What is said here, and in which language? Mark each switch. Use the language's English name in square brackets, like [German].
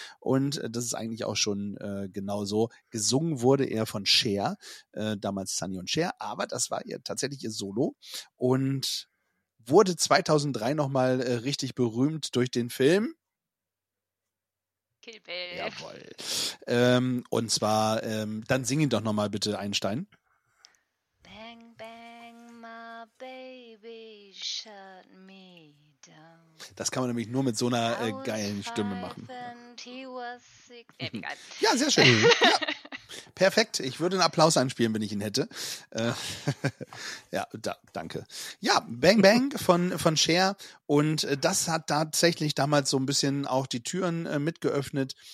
[German] Und das ist eigentlich auch schon genauso. Gesungen wurde er von Cher, damals Sunny und Cher. Aber das war tatsächlich ihr Solo. Und wurde 2003 nochmal richtig berühmt durch den Film Kill Bill. Jawohl. Und zwar, dann sing ihn doch nochmal bitte, Einstein. [English] Bang, bang, my baby shut me down. [German] Das kann man nämlich nur mit so einer geilen Stimme machen. And he was Klebigkeit. Ja, sehr schön. Ja. Perfekt. Ich würde einen Applaus einspielen, wenn ich ihn hätte. ja, da, danke. Ja, Bang Bang von Cher. Und das hat tatsächlich damals so ein bisschen auch die Türen mitgeöffnet.